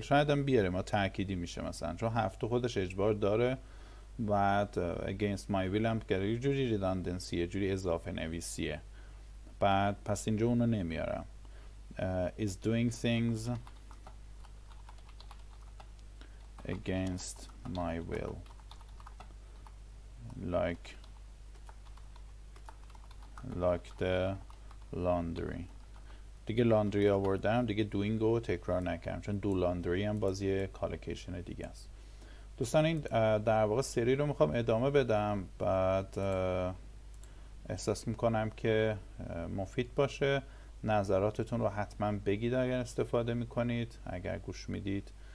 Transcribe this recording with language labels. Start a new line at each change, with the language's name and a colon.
Persian: شاید هم بیاریم ما تأکیدی میشه مثلا، چون
English: have to
Persian: خودش اجبار داره، بعد
English: against my will
Persian: هم یه جوری redundancy، یه جوری اضافه نویسیه، بعد پس اینجا اونو نمیارم.
English: Is doing things against my will like the laundry.
Persian: دیگه laundry آوردم، دیگه doing رو تکرار نکردم، چون
English: do laundry
Persian: هم باز یه collocation دیگه است. دوستان این در واقع سری رو میخوام ادامه بدم، بعد احساس میکنم که مفید باشه. نظراتتون رو حتما بگید اگر استفاده میکنید، اگر گوش میدید.